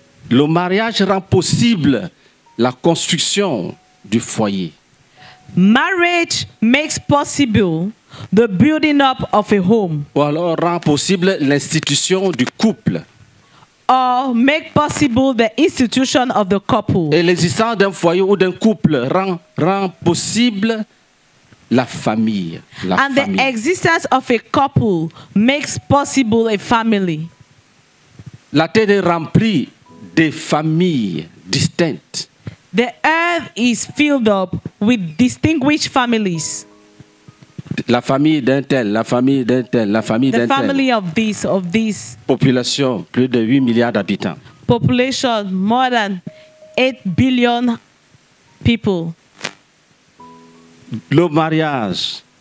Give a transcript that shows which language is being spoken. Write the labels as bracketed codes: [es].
[fr] Le mariage rend possible la construction du foyer. [en] Marriage makes possible the building up of a home. [fr] Ou alors rend possible l'institution du couple. [en] Or make possible the institution of the couple. [fr] Et l'existence d'un foyer ou d'un couple rend possible la famille, la [en] and [fr] famille. [en] The existence of a couple makes possible a family. [fr] La terre est remplie de familles distinctes. [en] The earth is filled up with distinguished families. [fr] La famille d'un tel, la famille d'un tel, la famille [en] the family [fr] tel. [en] Of this. [fr] Population, plus de 8 milliards d'habitants. [en] Population, more than 8 billion people. [fr] Le mariage,